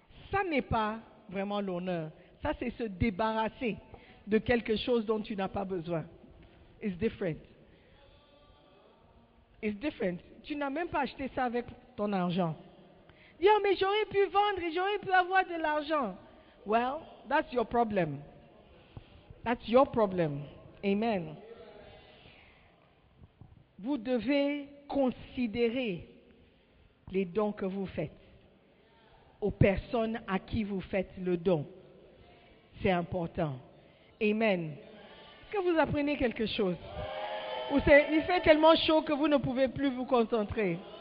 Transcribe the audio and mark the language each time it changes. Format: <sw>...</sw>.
<fr>Ça n'est pas vraiment l'honneur. Ça, c'est se débarrasser de quelque chose dont tu n'as pas besoin.</fr> <en>It's different. It's different.</en> <fr>Tu n'as même pas acheté ça avec ton argent. Yo, mais j'aurais pu vendre et j'aurais pu avoir de l'argent.</fr> <en>Well, that's your problem. That's your problem. Amen.</en> <fr>Vous devez considérer les dons que vous faites aux personnes à qui vous faites le don. C'est important. Amen. Est-ce que vous apprenez quelque chose? Ou c'est, il fait tellement chaud que vous ne pouvez plus vous concentrer.</fr>